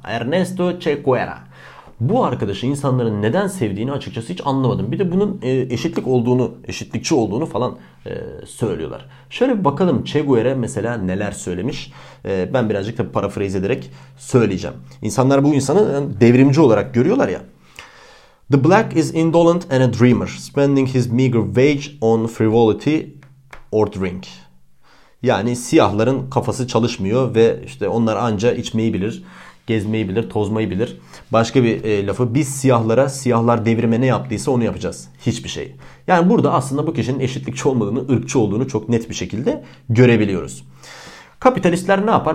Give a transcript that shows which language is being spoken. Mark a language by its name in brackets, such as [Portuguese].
[Turkish] Ernesto Che Guevara. Bu arkadaşı insanların neden sevdiğini açıkçası hiç anlamadım. Bir de bunun eşitlik olduğunu, eşitlikçi olduğunu falan söylüyorlar. Şöyle bir bakalım Che Guevara mesela neler söylemiş. Ben birazcık da parafraz ederek söyleyeceğim. İnsanlar bu insanı devrimci olarak görüyorlar ya. [English] The black is indolent and a dreamer, spending his meager wage on frivolity or drink. [Turkish] Yani siyahların kafası çalışmıyor ve işte onlar anca içmeyi bilir. Gezmeyi bilir, tozmayı bilir. Başka bir lafı biz siyahlara, siyahlar devrime ne yaptıysa onu yapacağız. Hiçbir şey. Yani burada aslında bu kişinin eşitlikçi olmadığını, ırkçı olduğunu çok net bir şekilde görebiliyoruz. Kapitalistler ne yapar?